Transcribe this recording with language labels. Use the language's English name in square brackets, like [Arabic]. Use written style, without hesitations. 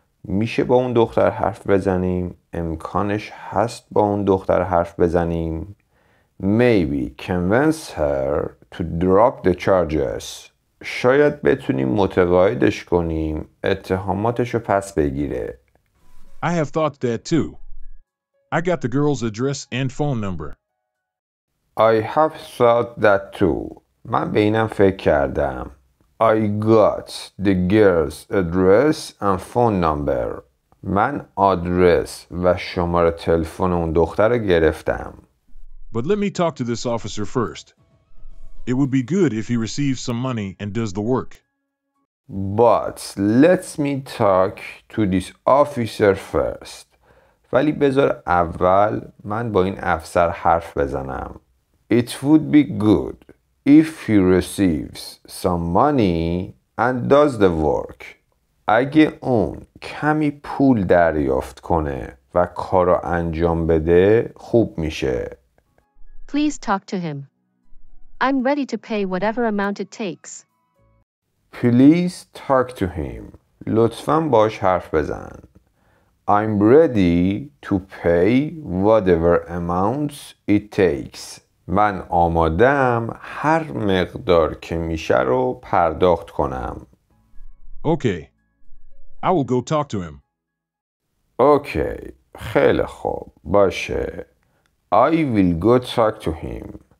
[Persian] میشه با اون دختر حرف بزنیم؟ امکانش هست با اون دختر حرف بزنیم؟ [English] Maybe convince her to drop the charges. [Persian] شاید بتونیم متقاعدش کنیم اتهاماتش رو پس بگیره. [English] I have thought that too. I got the girl's address and phone number. I have thought that too. [Persian] من به اینم فکر کردم. [English] I got the girl's address and phone number. [Persian] من آدرس و شماره تلفن اون دختر رو گرفتم. [English] But let me talk to this officer first. It would be good if he receives some money and does the work. But let me talk to this officer first. [Persian] ولی بذار اول من با این افسر حرف بزنم. [English] It would be good. If he receives some money and does the work. [Persian] اگه اون کمی پول دریافت کنه و کارو انجام بده خوب میشه. [English] Please talk to him. I'm ready to pay whatever amount it takes. Please talk to him. [Persian] لطفاً باش حرف بزن. [English] I'm ready to pay whatever amounts it takes. [Persian] من آمادم هر مقدار که میشه رو پرداخت کنم. [English] Okay. I will go talk to him. Okay. [Persian] خیلی خوب. باشه. [English] I will go talk to him.